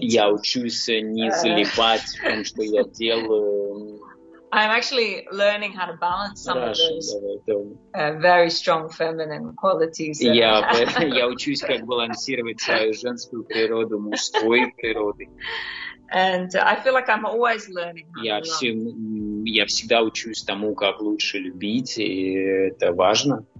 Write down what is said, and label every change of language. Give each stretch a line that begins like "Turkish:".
Russian: Я учусь не залипать в том, что я делаю.
English: I'm actually learning how to balance some
Russian: Хорошо,
English: of those very strong feminine qualities.
Russian: Я учусь, как балансировать свою женскую природу, мужской природой.
English: And I feel like I'm always learning how to love.
Russian: Я всегда учусь тому, как лучше любить, и это важно.